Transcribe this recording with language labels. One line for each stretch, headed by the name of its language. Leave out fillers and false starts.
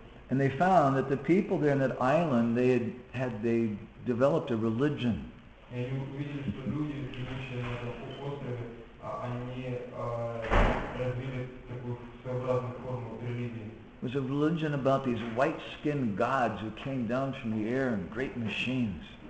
English: And they found that the people there in that island, they had developed a religion.
Russian: И они увидели, что люди, живущие на этом острове, они развили такую своеобразную форму религии.
English: It was a religion about these white-skinned gods who came down from the air in great machines.